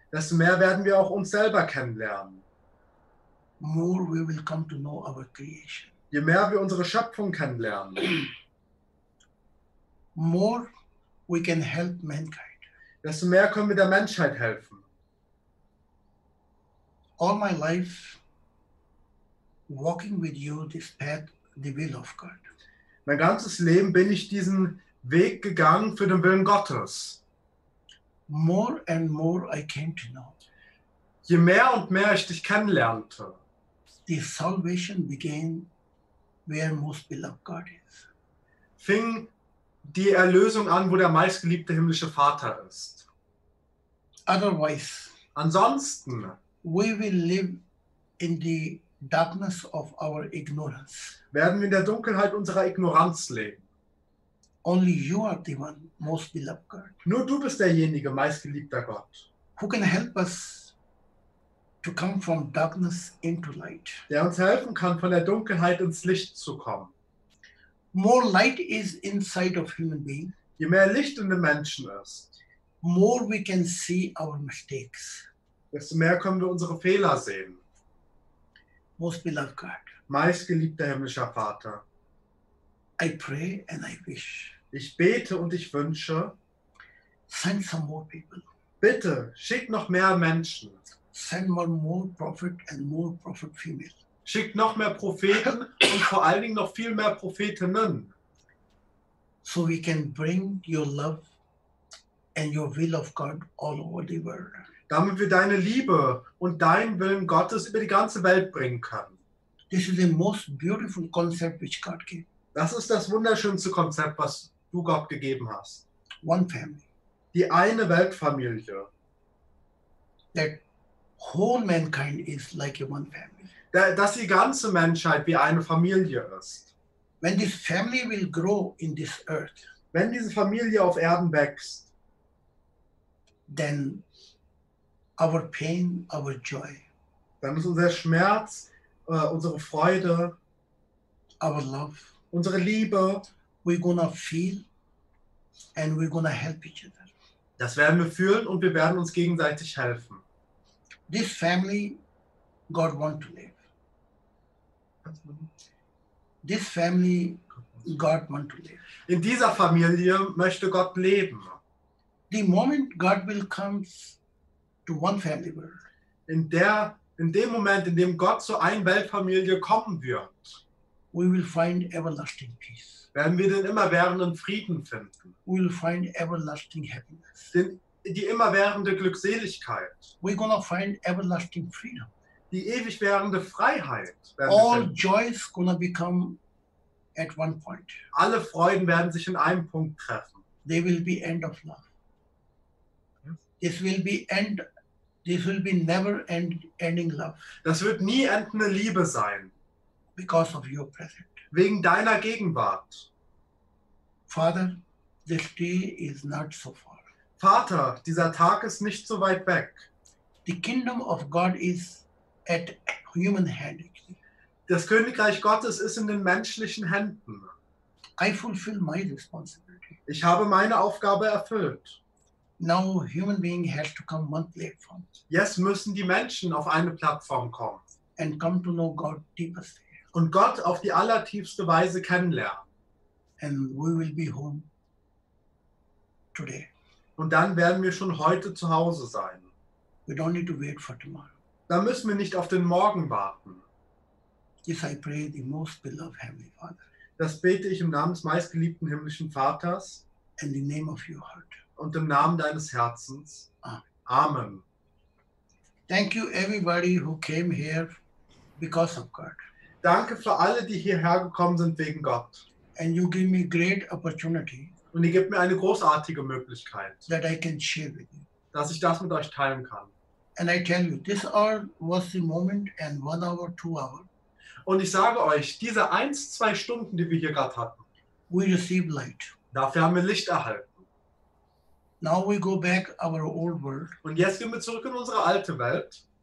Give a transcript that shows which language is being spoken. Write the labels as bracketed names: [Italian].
[German] Desto mehr werden wir auch uns selber kennenlernen. [English] More we will come to know our creation. [German] Je mehr wir unsere Schöpfung kennenlernen, [English] more we can help mankind. [German] Desto mehr können wir der Menschheit helfen. [English] All my life walking with you this path, the will of God. [German] Mein ganzes Leben bin ich diesen Weg gegangen für den Willen Gottes. [English] More and more I came to know. [German] Je mehr und mehr ich dich kennenlernte, [English] the salvation began where most beloved God is. [German] Fing die Erlösung an, wo der meistgeliebte himmlische Vater ist. [English] Otherwise, [German] ansonsten, [English] we will live in the darkness of our ignorance. [German] Werden wir in der Dunkelheit unserer Ignoranz leben. [English] Only you are the one most beloved God. [German] Nur du bist derjenige meistgeliebter Gott. [English] Who can help us to come from darkness into light? [German] Der uns helfen kann, von der Dunkelheit ins Licht zu kommen. [English] More light is inside of human being. [German] Je mehr Licht in den Menschen ist, [English] more we can see our mistakes. [German] Desto mehr können wir unsere Fehler sehen. [English] Most beloved God. [German] Meistgeliebter himmlischer Vater. [English] I pray and I wish. [German] Ich bete und ich wünsche. [English] Send some more people. [German] Bitte, schickt noch mehr Menschen. [English] Send more prophet and more prophet female. [German] Schickt noch mehr Propheten und vor allen Dingen noch viel mehr Prophetinnen. [English] So we can bring your love and your will of God all over the world. [German] Damit wir deine Liebe und deinen Willen Gottes über die ganze Welt bringen können. [English] This is the most beautiful concept which God gave. [German] Das ist das wunderschönste Konzept, was du Gott gegeben hast. [English] One family. [German] Die eine Weltfamilie. [English] That whole mankind is like one family. [German] Dass die ganze Menschheit wie eine Familie ist. [English] When this family will grow in this earth. [German] Wenn diese Familie auf Erden wächst. [English] Then our pain, our joy. [German] Dann ist unser Schmerz, unsere Freude. [English] Our love. [German] Unsere Liebe, [English] we're gonna feel and we're gonna help each other. [German] Das werden wir fühlen und wir werden uns gegenseitig helfen. [English] This family, God wants to live. This family, God wants to live. [German] In dieser Familie möchte Gott leben. [English] The moment God will come to one family world. [German] In dem Moment, in dem Gott zu einer Weltfamilie kommen wird. [English] We will find everlasting peace. [German] Werden wir den immerwährenden Frieden finden. [English] We will find everlasting happiness. [German] Die immerwährende Glückseligkeit. [English] We're gonna find everlasting freedom. [German] Die ewigwährende Freiheit. [English] All joys gonna become at one point. [German] Alle Freuden werden sich in einem Punkt treffen. [English] They will be end of love. This will be end. This will be never end, ending love. [German] Das wird nie endende Liebe sein. [English] Because of your presence. [German] Wegen deiner Gegenwart. [English] Father, this day is not so far. [German] Vater, dieser Tag ist nicht so weit weg. [English] The kingdom of God is at human hand. [German] Das Königreich Gottes ist in den menschlichen Händen. [English] I fulfill my responsibility. [German] Ich habe meine Aufgabe erfüllt. [English] Now human being has to come one platform. [German] Jetzt müssen die Menschen auf eine Plattform kommen. [English] And come to know God deepest. [German] und Gott auf die allertiefste Weise kennenlernen. [English] And we will be home today. [German] Und dann werden wir schon heute zu Hause sein. [English] We don't need to wait for tomorrow. [German] Dann müssen wir nicht auf den Morgen warten. [English] Yes, I pray the most beloved Heavenly Father. [German] Das bete ich im Namen des meistgeliebten himmlischen Vaters. [English] In the name of your heart. [German] Und im Namen deines Herzens. [English] Amen. [German] Amen. [English] Thank you everybody who came here because of God. [German] Danke für alle, die hierher gekommen sind wegen Gott. [English] And you give me great opportunity. [German] Und ihr gebt mir eine großartige Möglichkeit. [English] That I can share with you. [German] Dass ich das mit euch teilen kann. [English] And I tell you, this all was the moment and 1 hour, 2 hours. [German] Und ich sage euch, diese 1-2 Stunden, die wir hier gerade hatten, [English] we receive light. [German] Dafür haben wir Licht erhalten. [English] Now we go back our old world. [German] Und jetzt gehen wir zurück in unsere alte Welt.